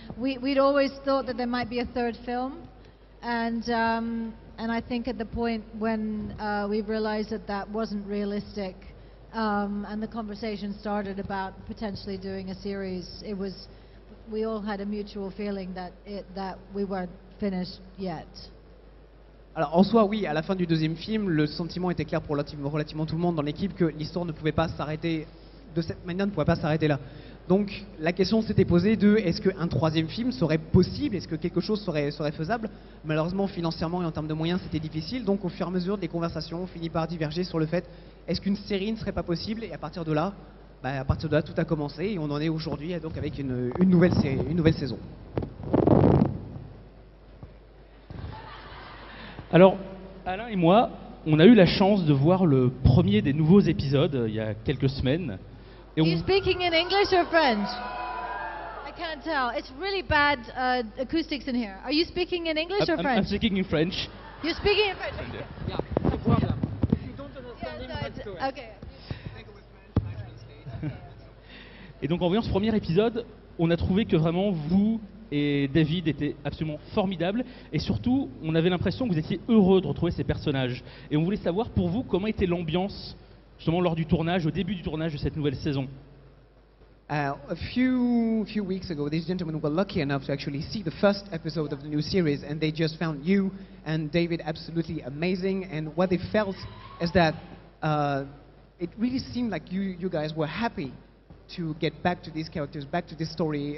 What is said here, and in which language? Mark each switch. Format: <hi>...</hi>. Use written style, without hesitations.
<en>We'd always thought that there might be a third film, and I think at the point when we realized that that wasn't realistic, and the conversation started about potentially doing a series, we all had a mutual feeling that we weren't finished yet.</en> <fr>Alors, en soi, oui, à la fin du deuxième film, le sentiment était clair pour relativement tout le monde dans l'équipe que l'histoire ne pouvait pas s'arrêter de cette manière, ne pouvait pas s'arrêter là. Donc, la question s'était posée de est-ce qu'un troisième film serait possible? Est-ce que quelque chose serait faisable? Malheureusement, financièrement et en termes de moyens, c'était difficile. Donc, au fur et à mesure des conversations, on finit par diverger sur le fait est-ce qu'une série ne serait pas possible? Et à partir de là, tout a commencé et on en est aujourd'hui donc avec une nouvelle série, une nouvelle saison. Alors, Alain et moi, on a eu la chance de voir le premier des nouveaux épisodes il y a quelques semaines. Et on...</fr> <en>Are you speaking in English or French? I can't tell. It's really bad acoustics in here. Are you speaking in English or French? I'm speaking in French. You're speaking in French? Yeah. Yeah. Okay.</en> <fr>Et donc, en voyant ce premier épisode, on a trouvé que vraiment vous... Et David était absolument formidable. Et surtout, on avait l'impression que vous étiez heureux de retrouver ces personnages. Et on voulait savoir pour vous comment était l'ambiance justement lors du tournage, au début du tournage de cette nouvelle saison.</fr> <en>A few weeks ago, these gentlemen were lucky enough to actually see the first episode of the new series, and they just found you and David absolutely amazing. And what they felt is that it really seemed like you guys were happy to get back to these characters, back to this story.</en>